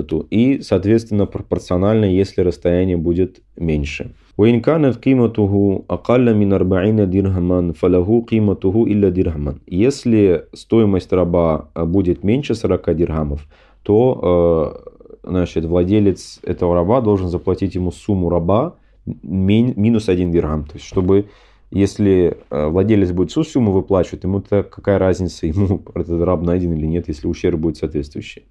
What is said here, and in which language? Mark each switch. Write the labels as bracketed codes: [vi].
[ru] И, соответственно, пропорционально, если расстояние будет меньше. [ar] وإن كانت قيمته أقل من 40 درهما فله قيمته إلا درهما. [ru] Если стоимость раба будет меньше 40 дирхамов, то значит, владелец этого раба должен заплатить ему сумму раба минус 1 дирхам. То есть, чтобы если владелец будет всю сумму выплачивать, ему то какая разница, ему этот раб найден или нет, если ущерб будет соответствующий.